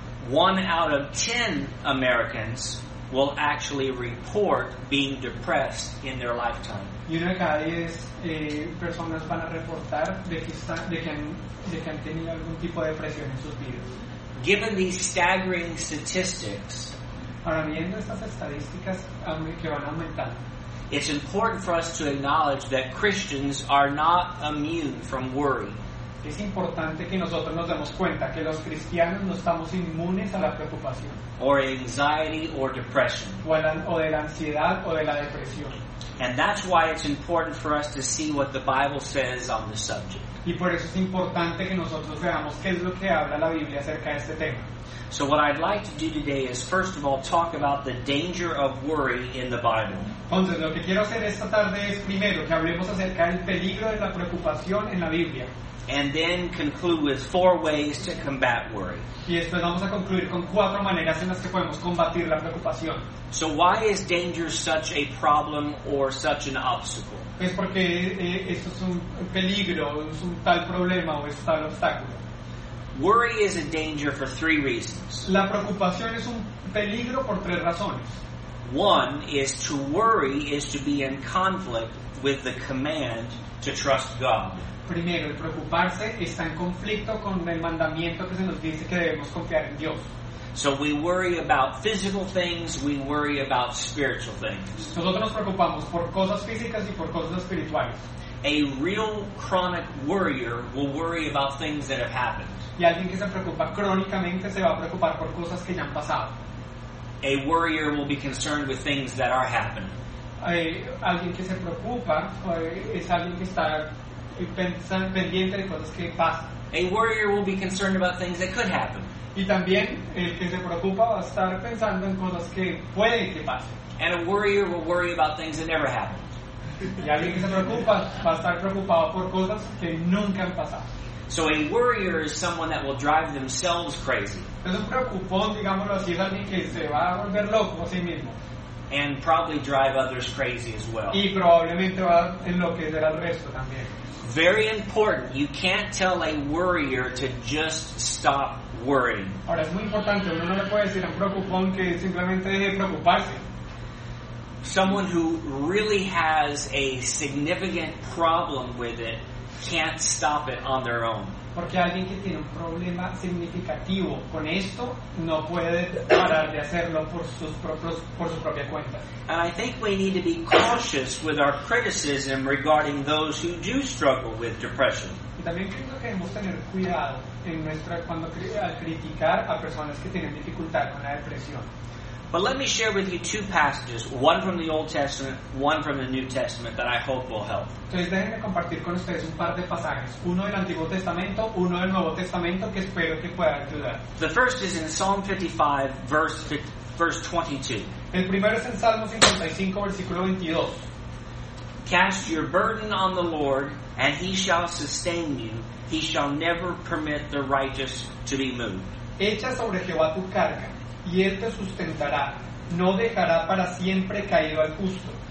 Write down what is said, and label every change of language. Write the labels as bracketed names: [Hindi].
[English] One out of ten Americans will actually report being depressed in their lifetime. [Spanish] Y una de cada diez personas van a reportar de que han tenido algún tipo de depresión en sus vidas. [English] Given these staggering statistics, [Spanish] ahora viendo estas estadísticas que van aumentando, [English] it's important for us to acknowledge that Christians are not immune from worry. [Spanish] Es importante que nosotros nos demos cuenta que los cristianos no estamos inmunes a la preocupación. [English] Or anxiety or depression. [Spanish] O de la ansiedad o de la depresión. [English] And that's why it's important for us to see what the Bible says on the subject. [Spanish] Y por eso es importante que nosotros veamos qué es lo que habla la Biblia acerca de este tema. [English] So what I'd like to do today is first of all talk about the danger of worry in the Bible. [Spanish] Entonces, lo que quiero hacer esta tarde es primero que hablemos acerca del peligro de la preocupación en la Biblia. [English] And then conclude with four ways to combat worry. [Spanish] Y después vamos a concluir con cuatro maneras en las que podemos combatir la preocupación. [English] So why is danger such a problem or such an obstacle? [Spanish] Pues porque esto es un peligro, es un tal problema o es tal obstáculo. [English] Worry is a danger for three reasons. [Spanish] La preocupación es un peligro por tres razones. [English] One is to worry is to be in conflict with the command to trust God. [Spanish] Primero, el preocuparse está en conflicto con el mandamiento que se nos dice que debemos confiar en Dios. [English] So we worry about physical things, we worry about spiritual things. [Spanish] Nosotros nos preocupamos por cosas físicas y por cosas espirituales. [English] A real chronic worrier will worry about things that have happened. [Spanish] Y alguien que se preocupa crónicamente se va a preocupar por cosas que ya han pasado. [English] A worrier will be concerned with things that are happening. [Spanish] Alguien que se preocupa es alguien que está pendiente de cosas que pasan. [English] A worrier will be concerned about things that could happen. [Spanish] Y también el que se preocupa va a estar pensando en cosas que pueden que pasen. [English] And a worrier will worry about things that never happen. [Spanish] Y alguien que se preocupa va a estar preocupado por cosas que nunca han pasado. [English] So a worrier is someone that will drive themselves crazy. [Spanish] Es un preocupón, digámoslo así, es alguien que se va a volver loco a sí mismo. [English] And probably drive others crazy as well. [Spanish] Y probablemente va a enloquecer al resto también. [English] Very important, you can't tell a worrier to just stop worrying. [Spanish] Ahora es muy importante, uno no le puede decir a un preocupón que simplemente deje de preocuparse. [English] Someone who really has a significant problem with it can't stop it on their own. [Spanish] Porque alguien que tiene un problema significativo con esto no puede parar de hacerlo por su propia cuenta. [English] And I think we need to be cautious with our criticism regarding those who do struggle with depression. [Spanish] Y también creo que debemos tener cuidado en nuestra cuando al criticar a personas que tienen dificultad con la depresión. [English] But let me share with you two passages, one from the Old Testament, one from the New Testament, that I hope will help. [Spanish] Entonces déjenme compartir con ustedes un par de pasajes, uno del Antiguo Testamento, uno del Nuevo Testamento, que espero que pueda ayudar. [English] The first is in Psalm 55, verse 22. [Spanish] El primero es en Salmo 55, versículo 22. [English] Cast your burden on the Lord, and he shall sustain you. He shall never permit the righteous to be moved. [Spanish] Echa sobre Jehová tu carga. Y Él te sustentará, no dejará para siempre caído al justo.